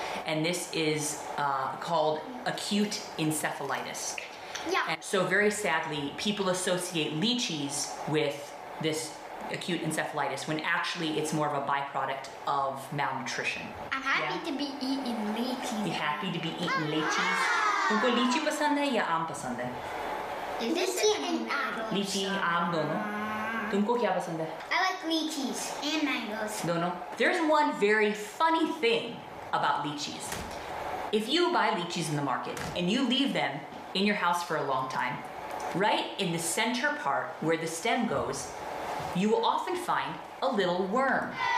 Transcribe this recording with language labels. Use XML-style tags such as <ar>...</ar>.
<en>And this is called acute encephalitis. Yeah. And so very sadly, people associate lychees with this acute encephalitis when actually it's more of a byproduct of malnutrition. I'm happy to be eating lychees.</en> <hi>तुमको लीची पसंद है या आम पसंद है? लीची and apples. लीची आम दोनों. तुमको क्या पसंद है?</hi> <en>I like lychees and mangoes.</en> <hi>दोनों.</hi> <en>There's one very funny thing about lychees. If you buy lychees in the market and you leave them in your house for a long time, right in the center part where the stem goes, you will often find a little worm.</en>